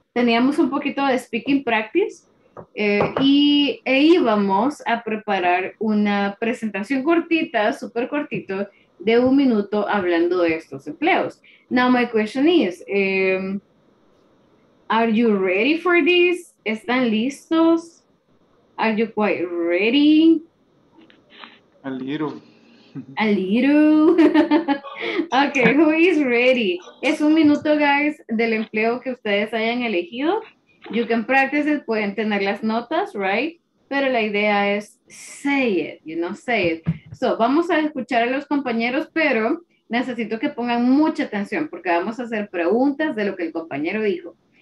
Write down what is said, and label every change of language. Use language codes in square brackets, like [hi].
[es] Teníamos un poquito de speaking practice e íbamos a preparar una presentación cortita, súper cortito, de un minuto hablando de estos empleos. [en] Now, my question is, are you ready for this? [es] ¿Están listos? [en] Are you quite ready? A little. A little. Okay, who is ready? [es] Es un minuto, guys, del empleo que ustedes hayan elegido. [en] You can practice it, [es] pueden tener las notas, [en] right? [es] Pero la idea es [en] say it, you know, say it. [es] So, vamos a escuchar a los compañeros, pero necesito que pongan mucha atención porque vamos a hacer preguntas de lo que el compañero dijo.